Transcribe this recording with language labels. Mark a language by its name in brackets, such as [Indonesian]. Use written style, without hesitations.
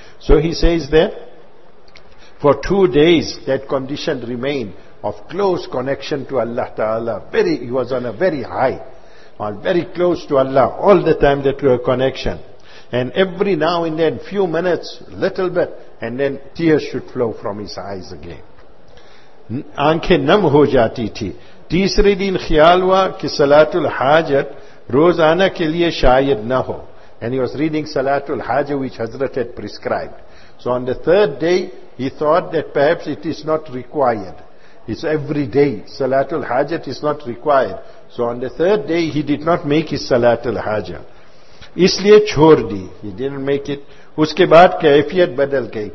[English] So he says that, for 2 days, that condition remained of close connection to Allah Ta'ala. He was very close to Allah, all the time that were connection. And every now and then, few minutes, little bit, and then tears should flow from his eyes again. [Urdu] Aankhe nam ho jati thi. تیسرے دن خیال ہوا کہ صلاة الحاجت روزانہ کے لیے شاید نہ ہو. [English] And he was reading صلاة الحاجت which Hazrat had prescribed. So on the third day, he thought that perhaps it is not required. It's every day. صلاة الحاجت is not required. So on the third day, he did not make his صلاة الحاجت. [Urdu] اس لیے چھوڑ دی. [English] He didn't make it. [Urdu] اس کے بعد کیفیت بدل گئی.